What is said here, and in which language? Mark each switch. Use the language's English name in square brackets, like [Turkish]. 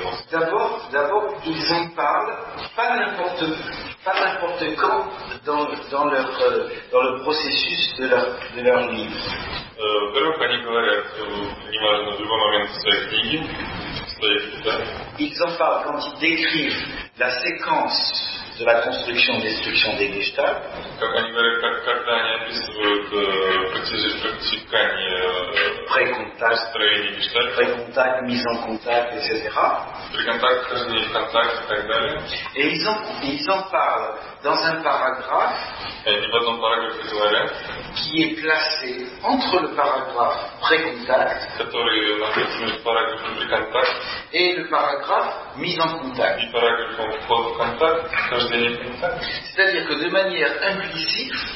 [French] D'abord, ils en parlent pas n'importe quand dans le processus de leur livre. [Russian] Во-первых, они говорят, неважно, в любой момент своей книги, своей, да. [French] Ils en parlent quand ils décrivent la séquence de la construction-destruction des Gestalt. [Russian] Как они говорят, когда они описывают протекание построения Гештальт. [French] Pré-contact, mise en contact, etc. [Russian] Pré-contact, хождение в контакт и так далее. [French] Et ils en parlent dans un paragraphe. [Russian] Они в одном параграфе говорят. [French] Qui est placé entre le paragraphe pré-contact, [Russian] который находится между параграфом pré-contact, [French] et le paragraphe mise en contact. [Russian] И параграф в контакт, хождение в контакт. [French] C'est-à-dire que de manière implicite,